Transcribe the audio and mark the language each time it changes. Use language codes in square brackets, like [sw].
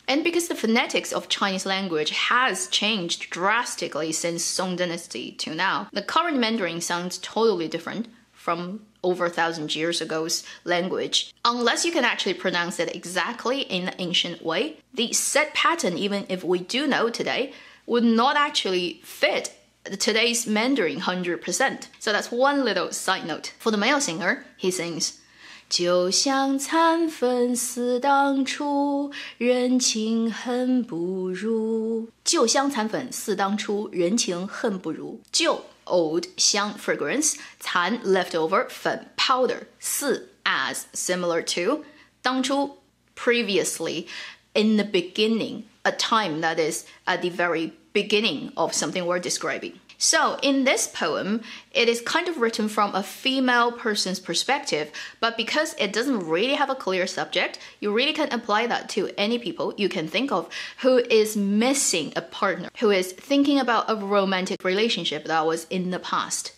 [en] And because the phonetics of Chinese language has changed drastically since Song Dynasty to now, the current Mandarin sounds totally different from over 1,000 years ago's language. Unless you can actually pronounce it exactly in the ancient way, the said pattern, even if we do know today, would not actually fit today's Mandarin 100%. So that's one little side note. For the male singer, he sings, [zh] 就像残粉似当初，人情恨不如。就像残粉似当初，人情恨不如。 [en] 就 old 香 fragrance, 残 leftover 粉 powder, 似 as similar to, 当初 previously, in the beginning, a time that is at the very beginning of something we're describing. So in this poem, it is kind of written from a female person's perspective, but because it doesn't really have a clear subject, you really can apply that to any people you can think of who is missing a partner, who is thinking about a romantic relationship that was in the past.